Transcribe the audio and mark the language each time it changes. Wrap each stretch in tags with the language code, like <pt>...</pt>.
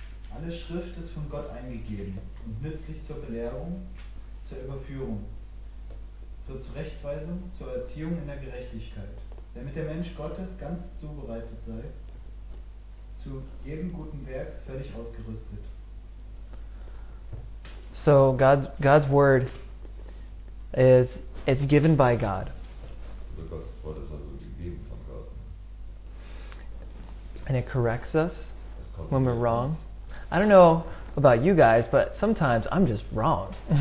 <de>Alle Schrift ist von Gott eingegeben und nützlich zur Belehrung, zur Überführung, zur Zurechtweisung, zur Erziehung in der Gerechtigkeit. Damit der Mensch Gottes ganz zubereitet sei, zu jedem guten Werk völlig ausgerüstet.</de> <en>So God's word is it's given by God.</en> <de>So Gottes Wort ist also gegeben von Gott.</de> <en>And it corrects us when we're wrong. I don't know about you guys, but sometimes I'm just wrong.</en>